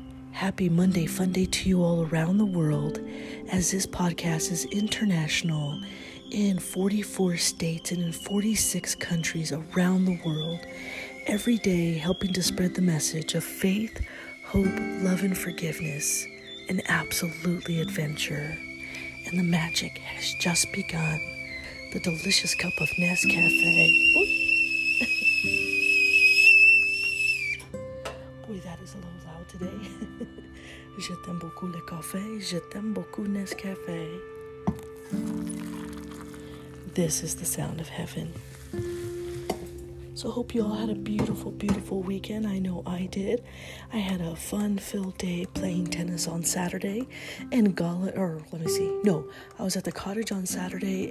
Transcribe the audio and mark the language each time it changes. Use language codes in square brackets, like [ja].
[en] Happy Monday fun day to you all around the world, as this podcast is international in 44 states and in 46 countries around the world, every day helping to spread the message of faith, hope, love, and forgiveness, and absolutely adventure. And the magic has just begun. The delicious cup of Nescafe. Boy, that is a little loud today. [fr] Je t'aime beaucoup le café. Je t'aime beaucoup Nescafe. [en] This is the sound of heaven. So hope you all had a beautiful, beautiful weekend. I know I did. I had a fun-filled day playing tennis on Saturday. And Gala, I was at the cottage on Saturday.